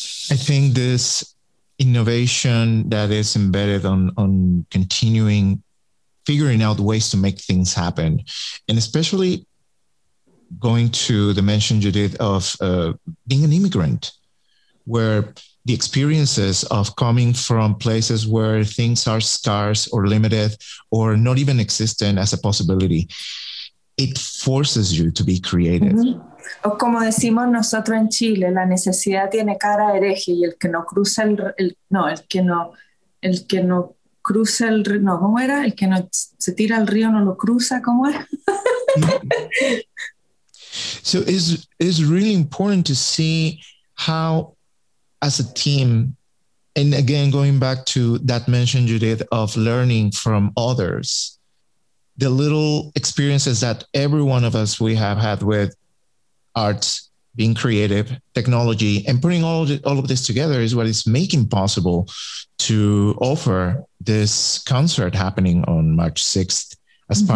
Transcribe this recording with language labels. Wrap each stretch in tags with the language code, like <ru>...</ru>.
<en>I think this innovation that is embedded on continuing figuring out ways to make things happen, and especially going to the mention, Judith, of being an immigrant, where the experiences of coming from places where things are scarce or limited or not even existent as a possibility, it forces you to be creative. Mm-hmm.</en> <es>O como decimos nosotros en Chile, la necesidad tiene cara hereje, y el que no se tira al río no lo cruza, ¿cómo era?</es> <en>So it's really important to see how, as a team, and again going back to that mention, Judith, of learning from others, the little experiences that every one of us we have had with arts, being creative, technology, and putting all of this together is what is making possible to offer this concert happening on March 6th as mm-hmm.</en>